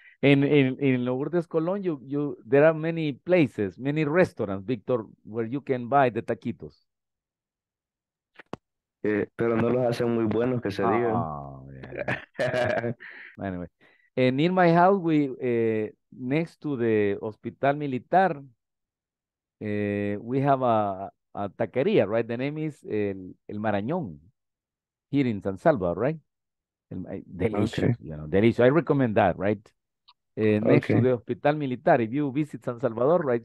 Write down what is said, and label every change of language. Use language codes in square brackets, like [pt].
[en] In Lourdes, Colón, you there are many places, many restaurants, Victor, where you can buy the taquitos. [es] Pero no los hacen muy buenos, que se digan. [en] Yeah. Anyway. And in my house, we next to the hospital militar, we have a taqueria, right? The name is El Marañón, here in San Salvador, right? Delicious, okay. You know, delicious. I recommend that, right? Next to the hospital militar, if you visit San Salvador, right?